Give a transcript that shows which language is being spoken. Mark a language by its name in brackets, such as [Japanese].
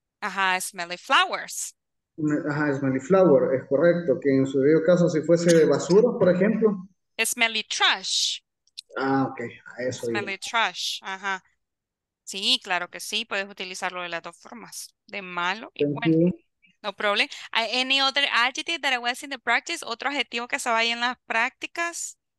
[English] Ajá, smelly flowers. [Spanish] Ajá, [English] smelly flower, [Spanish] es correcto. Que en su debido caso, si fuese de basura, por ejemplo. [English] Smelly Ah, ok, a trash. [Spanish] eso iba. [English] Smelly trash, ajá. [Spanish] Sí, claro que sí, puedes utilizarlo de las dos formas, de malo y bueno. [English] Thank No problem. Any other adjective that I was in the practice? [Spanish] ¿Otro adjetivo que estaba ahí en las prácticas?